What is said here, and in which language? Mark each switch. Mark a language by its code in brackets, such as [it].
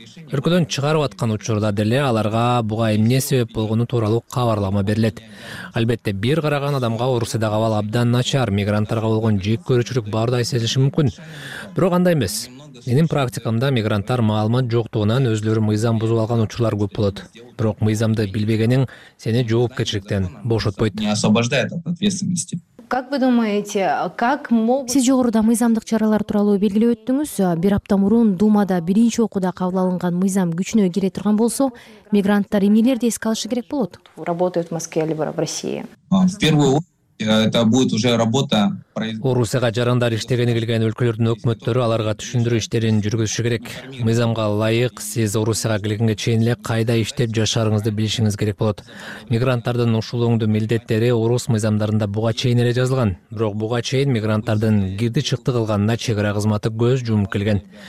[ky] Өлкөдөн чыгарып аткан учурда деле аларга буга эмне себеп болгону тууралуу кабарлама берилет. Албетте, бир караган адамга Орусиядагы абал абдан начар, мигранттарга болгон жек көрүүчүлүк бардай сезилиши мүмкүн. Бирок андай эмес. Менин практикамда мигранттар маалымат жоктугунан өзлөрү мыйзам бузуп алган учурлар көп болот. Бирок мыйзамды билбегениң сени жоопкерчиликтен бошотпойт. [ru] Не освобождает от ответственности. Как вы думаете, как могут... [ky] Сиз жогоруда мыйзамдык чаралар тууралуу белгилеп өттүңүз. Бир апта мурун Думада биринчи окууда кабыл алынган мыйзам күчүнө кире турган болсо, мигранттар эмнелерди эске алышы керек болот? [ru] Работают в Москве либо в России. В первую очередь, это будет уже работа... [ky] Орусияга жарандар иштегени келген өлкөлөрдүн өкмөттөрү аларга түшүндүрүү иштерин жүргүзүшү керек. Мыйзамга ылайык, сиз Орусияга келгенге чейин эле кайда иштеп жашарыңызды билишиңиз керек болот. Мигранттардын ушул өңдүү милдеттери орус мыйзамдарында буга чейин эле жазылган. Бирок буга чейин мигранттардын кирди чыкты кылганына чек ара кызматы көз жумуп келген.